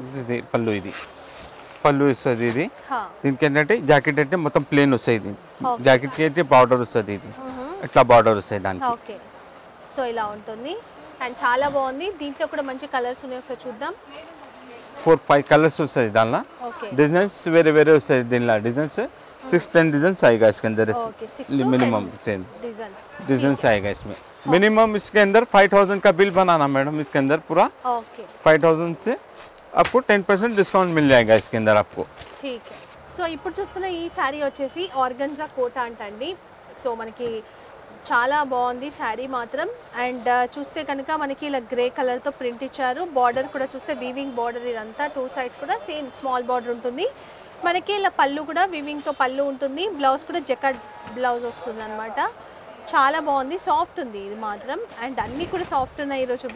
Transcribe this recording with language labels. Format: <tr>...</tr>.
<te>ఇది పల్లు ఇది పల్లు వస్తుంది ఇది దీనికి ఏంటంటే జాకెట్ అంటే మొత్తం ప్లెయిన్ వస్తుంది ఇది జాకెట్ కి అయితే బార్డర్ వస్తుంది ఇది ఇట్లా బార్డర్ వస్తుంది దానికి ఓకే సో ఇలా ఉంటుంది అండ్ చాలా బాగుంది దీంట్లో కూడా మంచి కలర్స్ ఉన్నాయి ఒకసారి చూద్దాం 4-5 కలర్స్ వస్తుంది దానిలో డిజైన్స్ వేరే వేరే వస్తుంది దీనిలో డిజైన్స్</te> <hi>6-10 डिजाइन आएगा इसके अंदर मिनिमम सेम डिजाइन आएगा इसमें मिनिमम इसके अंदर 5000 का बिल बनाना मैडम इसके अंदर पूरा 5000 से आपको 10% डिस्काउंट मिल जाएगा इसके अंदर आपको ठीक है</hi> <te>सो ఇప్పుడు చూస్తున్న ఈ సారీ వచ్చేసి ఆర్గంజా కోట అంటండి సో మనకి చాలా బాగుంది సారీ మాత్రం అండ్ చూస్తే కనుక మనకి ఇలా గ్రే కలర్ తో ప్రింట్ ఇచ్చారు బోర్డర్ కూడా చూస్తే వీవింగ్ బోర్డర్ ఇదంతా టూ సైడ్స్ కూడా సేమ్ స్మాల్ బోర్డర్ ఉంటుంది మనకి ఇలా పల్లు కూడా వీవింగ్ తో పల్లు ఉంటుంది బ్లౌజ్ కూడా జకార్డ్ బ్లౌజ్ వస్తుంది అన్నమాట చాలా బాగుంది సాఫ్ట్ ఉంది ఇది మాత్రం అండ్ అన్ని కూడా సాఫ్ట్ ఉన్నాయి ఈ రోజు</te>